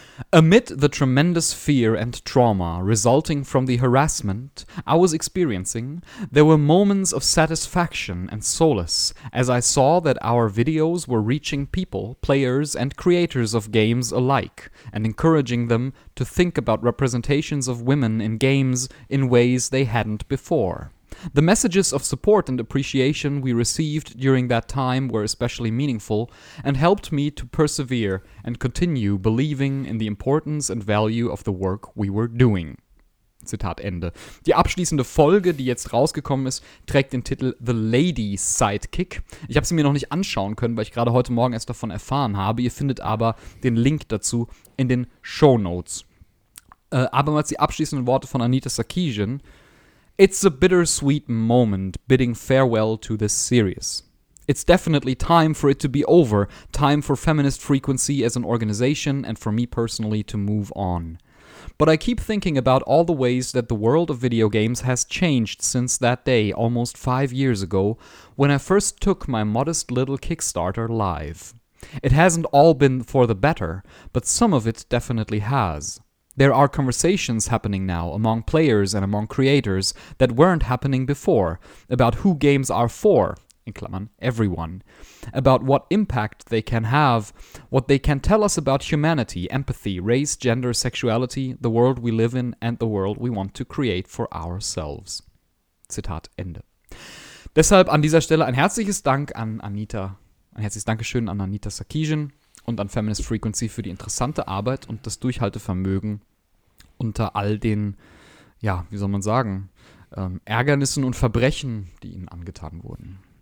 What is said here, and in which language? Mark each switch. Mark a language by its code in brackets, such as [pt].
[en] Amid the tremendous fear and trauma resulting from the harassment I was experiencing, there were moments of satisfaction and solace as I saw that our videos were reaching people, players and creators of games alike, and encouraging them to think about representations of women in games in ways they hadn't before. The messages of support and appreciation we received during that time were especially meaningful and helped me to persevere and continue believing in the importance and value of the work we were doing. [de] Zitat Ende. Die abschließende Folge, die jetzt rausgekommen ist, trägt den Titel The Lady Sidekick. Ich habe sie mir noch nicht anschauen können, weil ich gerade heute Morgen erst davon erfahren habe. Ihr findet aber den Link dazu in den Shownotes. Abermals die abschließenden Worte von Anita Sarkeesian. [en] It's a bittersweet moment bidding farewell to this series. It's definitely time for it to be over, time for Feminist Frequency as an organization and for me personally to move on. But I keep thinking about all the ways that the world of video games has changed since that day, almost 5 years ago, when I first took my modest little Kickstarter live. It hasn't all been for the better, but some of it definitely has. There are conversations happening now among players and among creators that weren't happening before about who games are for, [de] in Klammern, [en] everyone, about what impact they can have, what they can tell us about humanity, empathy, race, gender, sexuality, the world we live in and the world we want to create for ourselves. [de] Zitat Ende. Deshalb an dieser Stelle ein herzliches Dank an Anita, ein herzliches Dankeschön an Anita Sarkeesian. Und an Feminist Frequency für die interessante Arbeit und das Durchhaltevermögen unter all den, ja, wie soll man sagen, Ärgernissen und Verbrechen, die ihnen angetan wurden.